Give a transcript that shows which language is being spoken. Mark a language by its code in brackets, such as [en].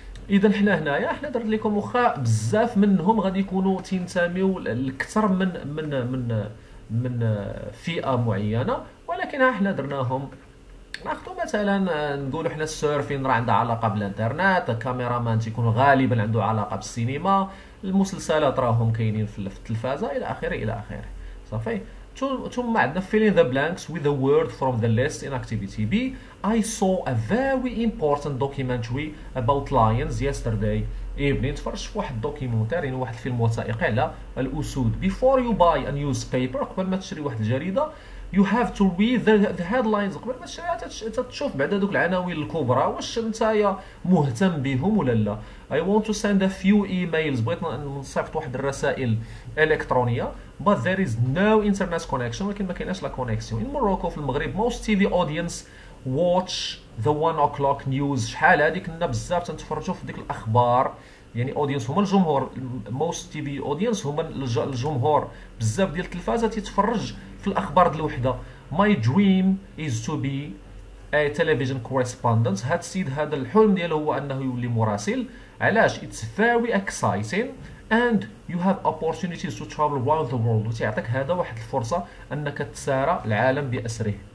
[ar] اذا حنا هنايا حنا درت لكم واخا بزاف منهم غادي يكونوا تنتميو لاكثر من من من من فئه معينه، ولكن احنا درناهم ناخذوا مثلا نقولوا حنا السيرفين راه عندها علاقه بالانترنت، الكاميرامان تيكون غالبا عنده علاقه بالسينما، المسلسلات راهم كاينين في التلفازه الى اخره الى اخره. صافي ثم عندنا [en] fill in the blanks with the word from the list in activity B. I saw a very important documentary about lions yesterday evening. [ar] تفرجت في واحد دوكيومنتير يعني واحد فيلم وثائقي على الأسود. [en] Before you buy a newspaper [ar] قبل ما تشري واحد الجريدة [en] you have to read the headlines [ar] قبل ما تشري تشوف بعد هذوك العناوين الكبرى واش نتايا مهتم بهم ولا لا. [en] I want to send a few emails [ar] بغيت نصيفط واحد الرسائل إلكترونية [en] but there is no internet connection [ar] ولكن ما كايناش لا كونيكسيون. [en] In Morocco [ar] في المغرب [en] most TV audience watch the 1 o'clock news. [ar] شحال هذيك كنا بزاف تنتفرجوا في ديك الاخبار يعني اودينس هما الجمهور [en] most TV audience [ar] هما الجمهور بزاف ديال التلفازه تيتفرج في الاخبار ديال الوحده. [en] My dream is to be a television correspondent. [ar] هاد السيد هذا الحلم ديالو هو انه يولي مراسل. علاش؟ [en] It's very exciting and you have opportunities to travel around the world. [ar] وتيعطيك هذا واحد الفرصه انك تسارع العالم باسره.